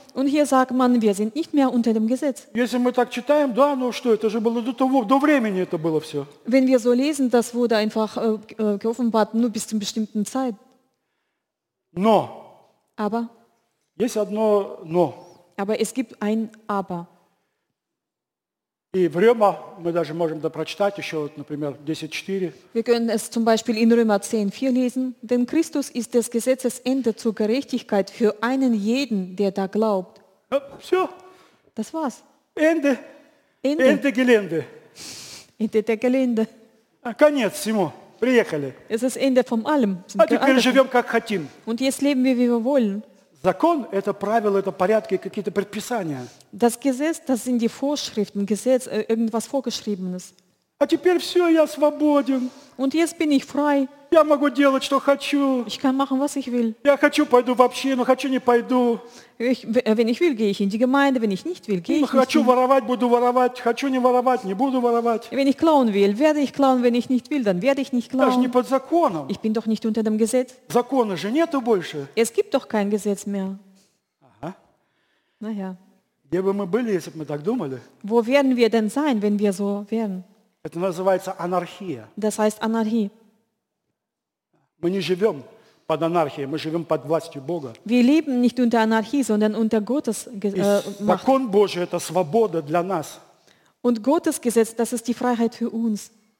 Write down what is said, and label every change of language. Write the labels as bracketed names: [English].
[German] Und hier sagt man, wir sind nicht mehr unter dem Gesetz. [Russian] Если мы так читаем, да, ну что, это же было до того, до времени это было все. [German] Wenn wir so lesen, das wurde einfach geoffenbart nur bis zu einer bestimmten Zeit. [Russian] Но. [German] Aber. [Russian] Есть одно но. [German] Aber es gibt ein aber. [Russian] И в Рима мы даже можем да прочитать еще, вот, например, 10:4. [German] Wir können es zum Beispiel in Römer 10:4 lesen, denn Christus ist des Gesetzes Ende zur Gerechtigkeit für einen jeden, der da glaubt. Ja, [Russian] все. [German] Das war's. Ende. Ende. Ende Gelände. Ende der Gelände. [Russian] Конец всему. Приехали. [German] Es ist Ende vom Allem. [Russian] А теперь живем как хотим. [German] Und jetzt leben wir, wie wir wollen. [Russian] Закон – это правила, это порядки, какие-то предписания. [German] Das Gesetz, das sind die Vorschriften, Gesetz, irgendwas Vorgeschriebenes. [Russian] А теперь все, я свободен. [German] Und jetzt bin ich frei. [Russian] Я могу делать, что хочу. [German] Ich kann machen, was ich will. [Russian] Я хочу, пойду в общину, хочу, не пойду. [German] Wenn ich will, gehe ich in die Gemeinde, wenn ich nicht will, gehe ich nicht. [Russian] Хочу воровать, буду воровать, хочу не воровать, не буду воровать. [German] Wenn ich klauen will, werde ich klauen, wenn ich nicht will, dann werde ich nicht klauen. [Russian] Я же не под законом. [German] Ich bin doch nicht unter dem Gesetz. [Russian] Закона же нету больше. [German] Es gibt doch kein Gesetz mehr. [Russian] Ага. [German] Naja. [Russian] Где бы мы были, если бы мы так думали? [German] Wo werden wir denn sein, wenn wir so wären? [Russian] Это называется анархия. [German] Das heißt Anarchie. [Russian] Мы не живем под анархией, мы живем под властью Бога. [German] Wir leben nicht unter Anarchie, sondern unter Gottes Macht. [Russian] Закон Божий – это свобода для нас. [German] Und Gottes Gesetz, das ist die Freiheit für uns.